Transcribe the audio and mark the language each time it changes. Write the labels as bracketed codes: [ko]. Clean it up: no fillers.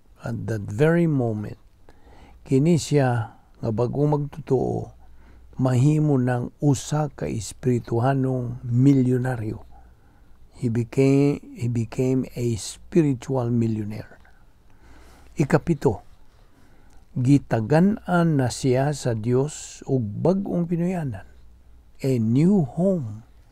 [en] At that very moment, [ceb] kini siya nga bagong magtutuo, mahimo ng usa ka espirituhanong milyonaryo. [en] He became a spiritual millionaire. [ceb] Ikapito, gitagan-an na siya sa Dios ug bag-ong pinuyanan, [en] a new home.